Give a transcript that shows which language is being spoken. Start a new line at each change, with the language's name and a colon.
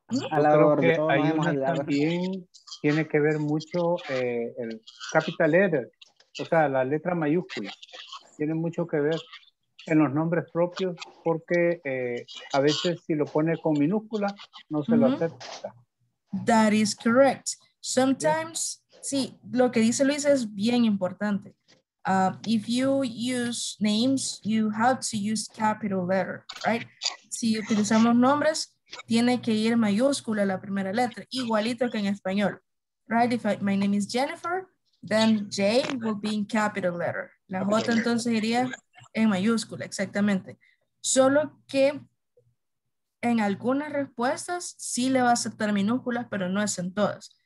Spanish: A la también tiene que ver mucho el
English: capital letter,
Spanish: o sea, la letra mayúscula. Tiene mucho que ver en los nombres propios porque a veces si lo pone con minúscula no se lo acepta.
English: That is correct. Sometimes, yeah.
Spanish: Sí, lo que dice Luis es bien importante.
English: If you use names, you have to use capital letter, right?
Spanish: Si utilizamos nombres, tiene que ir mayúscula la primera letra, igualito que en español, right?
English: If my name is Jennifer, then J will be in capital letter.
Spanish: La J entonces iría en mayúscula, exactamente. Solo que en algunas respuestas sí le va a aceptar minúsculas, pero no es en todas.